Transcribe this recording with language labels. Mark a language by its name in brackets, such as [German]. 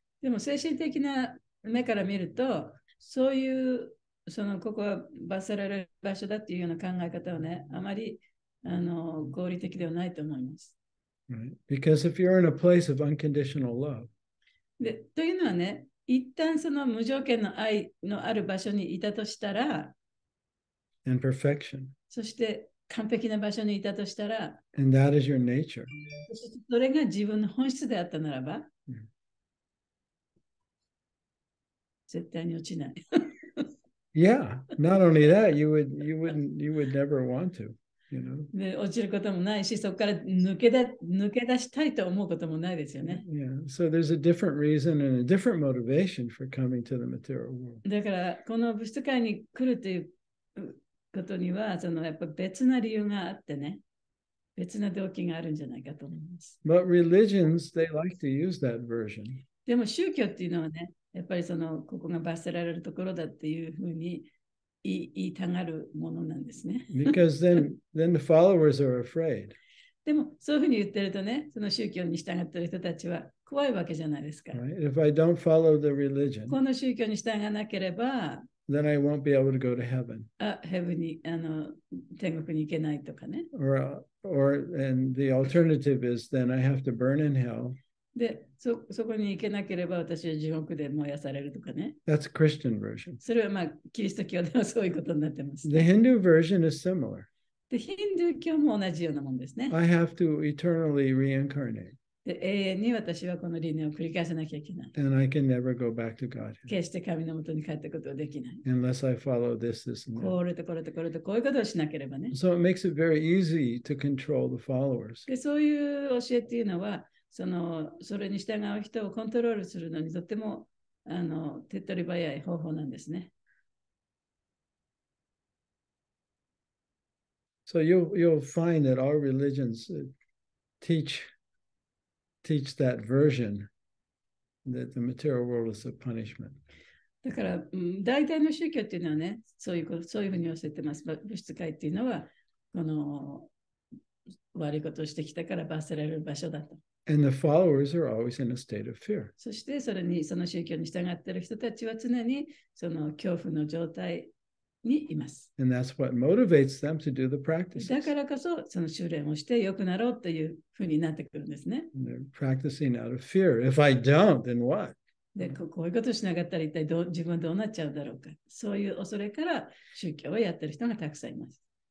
[Japanese] でも精神的な目から見るとそういうそのここは罰せられる場所だっていうような考え方はね、あまり合理的ではないと思います。 [English] Right. Because if you're in a place of unconditional love, [Japanese] でというのはね、一旦その無条件の愛のある場所にいたとしたら、 [English] and perfection. [Japanese] そして完璧な場所にいたとしたら、 [English] and that is your nature. [Japanese] それが自分の本質であったならば、絶対に落ちない。 [English] Yeah, not only that, you would never want to, you know. [Japanese] で、落ちることもないし、そこから抜け出したいと思うこともないですよね。 [English] Yeah, so there's a different reason and a different motivation for coming to the material world. [Japanese] だから、この物質界に来るということには、そのやっぱ別な理由があってね。別な動機があるんじゃないかと思います。 [English] But religions, they like to use that version. [Japanese] でも宗教っていうのはね、やっぱりそのここが罰せられるところだっていうふうに言いたがるものなんですね。 [English] Because then the followers are afraid. [Japanese] でもそういうふうに言ってるとね、その宗教に従ってる人たちは怖いわけじゃないですか。 [English] Right? If I don't follow the religion, [Japanese] この宗教に従わなければ、 [English] then I won't be able to go to heaven. [Japanese] あ、heaven に、あの、天国に行けないとかね。 [English] Or and the alternative is then I have to burn in hell. [Japanese] で、そこに行けなければ私は地獄で燃やされるとかね。 [English] That's Christian version. [Japanese] それはまあ、キリスト教ではそういうことになってます。 [English] The Hindu version is similar. [Japanese] で、ヒンドゥー教も同じようなもんですね。 [English] I have to eternally reincarnate. [Japanese] で、永遠に私はこの輪廻を繰り返さなきゃいけない。 [English] And I can never go back to Godhead. [Japanese] 決して神の元に帰ったことはできない。 [English] Unless I follow this, this, and that. [Japanese] これとこれとこれとこういうことをしなければね。 [English] So it makes it very easy to control the followers. [Japanese] で、そういう教えっていうのは、それに従う人をコントロールするのにとても手っ取り早い方法なんですね。 [English] So you'll find that all religions teach that version that the material world is a punishment. [Japanese] だから大体の宗教っていうのはね、そういうふうに教えてます。物質界っていうのは、この悪いことをしてきたから罰せられる場所だと。 [English] And the followers are always in a state of fear. [Japanese] そしてそれにその宗教に従っている人たちは常にその恐怖の状態にいます。 [English] And that's what motivates them to do the practices. [Japanese] だからこそその修練をして良くなろうというふうになってくるんですね。 [English] And they're practicing out of fear. If I don't, then what? [Japanese] で、こういうことをしなかったら一体自分はどうなっちゃうだろうか。そういう恐れから宗教をやっている人がたくさんいます。